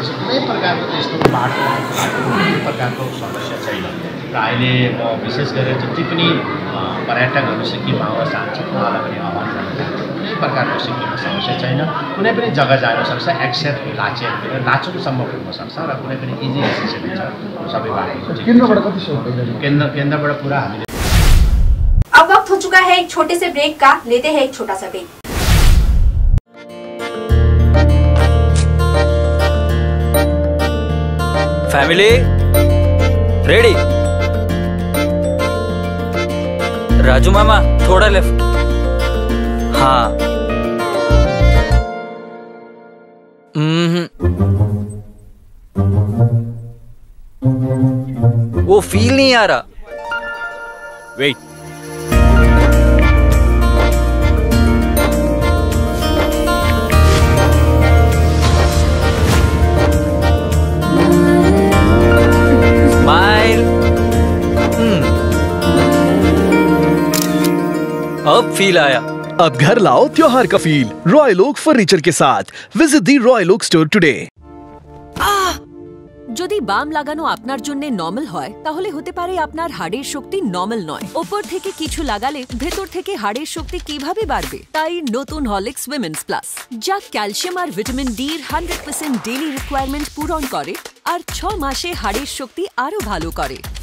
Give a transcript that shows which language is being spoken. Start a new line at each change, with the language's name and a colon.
Nepali: भएपछि कुनै प्रकारको त्यस्तो बाटो कुनै प्रकारको समस्या छैन र अहिले म विशेष गरेर जति पनि पर्यटकहरू सिक्किममा आउँछ चाहन्छु उहाँलाई पनि आह्वान गर्न चाहन्छु कुनै प्रकारको सिक्किममा समस्या छैन कुनै पनि जग्गा जानसक्छ एक्सेप्ट लाचेन लाचुङसम्म पुग्नसक्छ र कुनै पनि इजी एक्सेसन हुन्छ सबै केन्द्रबाट पुरा हामीले
Hindi: अब वक्त हो चुका है एक छोटे से ब्रेक का लेते हैं एक छोटा सा ब्रेक फैमिली रेडी राजू मामा थोड़ा लेफ्ट हाँ वो फील नहीं आ रहा वेट अब फील आया अब घर लाओ त्योहार का फील रॉयल ओक फर्नीचर के साथ
English: visit the royal oak store today
Bangla: যদি বাম লাগানো আপনার জন্য নরমাল হয় তাহলে হতে পারে আপনার হাড়ের শক্তি নরমাল নয় উপর থেকে কিছু লাগালে ভেতর থেকে হাড়ের শক্তি কিভাবে বাড়বে তাই নতুন হলিক্স উইমেন্স প্লাস যা ক্যালসিয়াম আর ভিটামিন ডি এর 100%
English: daily requirement
Bangla: পূরণ করে আর 6 মাসে হাড়ের শক্তি আরো ভালো করে